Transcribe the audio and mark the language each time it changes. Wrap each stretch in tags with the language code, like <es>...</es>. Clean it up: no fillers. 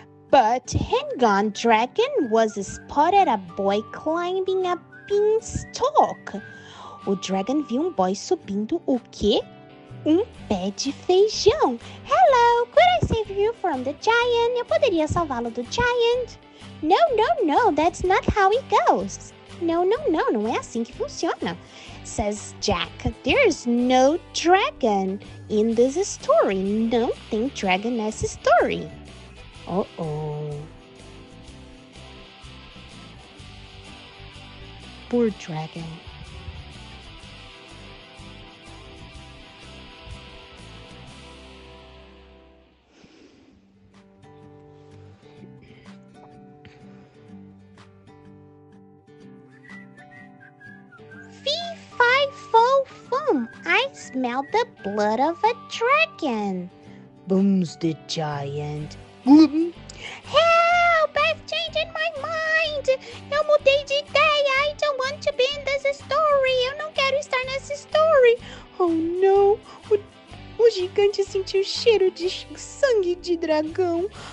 <en>But hang on, dragon was spotted a boy climbing a beanstalk.</en> <pt>O dragon viu boy subindo o quê? Pé de feijão.</pt> <en>Hello, could I save you from the giant?</en> <pt>Eu poderia salvá-lo do giant?</pt> <en>No, no, no, that's not how it goes. No, no, no,</en> <pt>não é assim que funciona,</pt> <en>says Jack. There's no dragon in this story.</en> <pt>Não tem dragon nessa story. Uh-oh.</pt> <en>Poor dragon. Fee-fi-fo-fum. I smell the blood of a dragon. Booms the giant. Help! I've changed my mind!</en> <pt>Eu mudei de ideia!</pt> <en>I don't want to be in this story!</en> <pt>Eu não quero estar nessa story!</pt> <en>Oh, no!</en> <pt>O gigante sentiu cheiro de sangue de dragão!</pt>